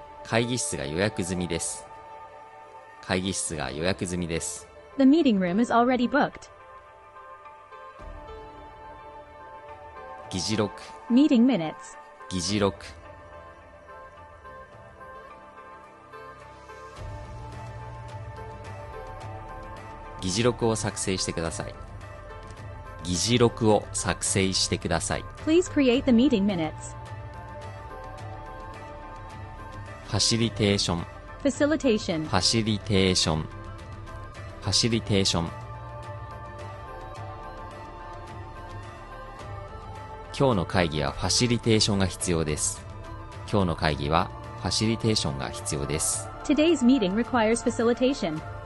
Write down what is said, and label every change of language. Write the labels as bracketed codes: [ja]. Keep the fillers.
[ja] 会議室が予約済みです。会議室が予約済みです。 [en] The meeting room is already booked. 議事録 meeting minutes. [ja] 議事録議事録を作成してください。議事録を作成してください。 [en] Please create the meeting minutes. [ja] ファシリテーション [en] Facilitation. Facilitation. Facilitation. [ja] 今日の会議はファシリテーションが必要です。今日の会議はファシリテーションが必要です。 [en] Today's meeting requires facilitation.